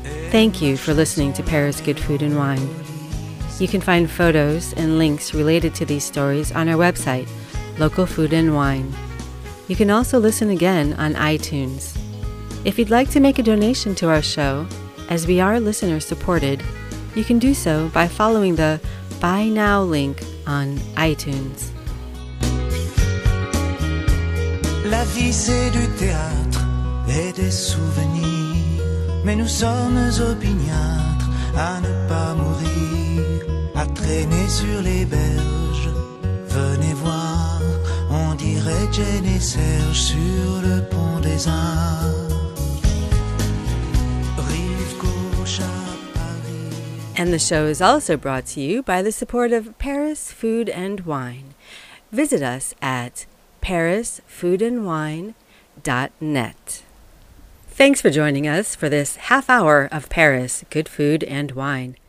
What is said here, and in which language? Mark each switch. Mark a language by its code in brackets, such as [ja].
[en] Thank you for listening to Paris Good Food and Wine. You can find photos and links related to these stories on our website, Local Food and Wine. You can also listen again on iTunes. If you'd like to make a donation to our show, as we are listener supported, you can do so by following the Buy Now link on iTunes. [fr] La vie c'est du théâtre et des souvenirs, mais nous sommes opiniâtres à ne pas mourir, à traîner sur les berges. Venez voir. On dirait Jane et Serge sur le pont des Arts. Rive gauche à Paris. [en] And the show is also brought to you by the support of Paris Food and Wine. Visit us at parisfoodandwine.net. Thanks for joining us for this half hour of Paris Good Food and Wine.